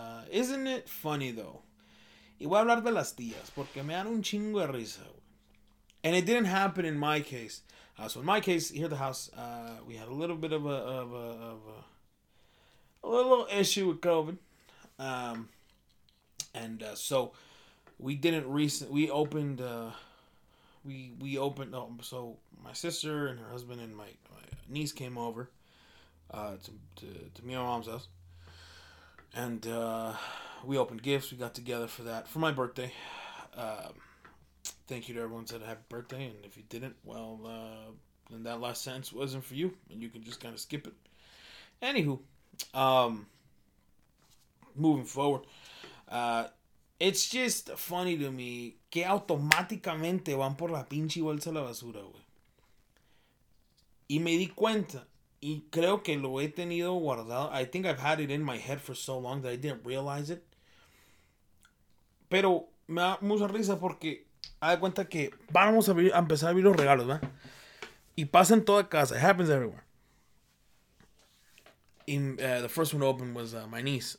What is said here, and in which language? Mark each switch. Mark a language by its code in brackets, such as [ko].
[en] Isn't it funny, though? [es] Y voy a hablar de las tías, porque me dan un chingo de risa. [en] And it didn't happen in my case. So in my case, here at the house, we had a little bit of a little issue with COVID. So we didn't recently, we opened, oh, so my sister and her husband and my niece came over to me and mom's house. And we opened gifts. We got together for that, for my birthday. Thank you to everyone who said happy birthday. And if you didn't, well, then that last sentence wasn't for you. And you can just kind of skip it. Anywho, moving forward. It's just funny to me [es] que automáticamente van por la pinche bolsa a la basura, güey. Y me di cuenta. Y creo que lo he tenido guardado. [en] I think I've had it in my head for so long that I didn't realize it. [es] Pero me da mucha risa porque haz de cuenta que vamos a, a empezar a abrir los regalos, ¿verdad? Y pasa en toda casa. [en] It happens everywhere. In, the first one opened was my niece.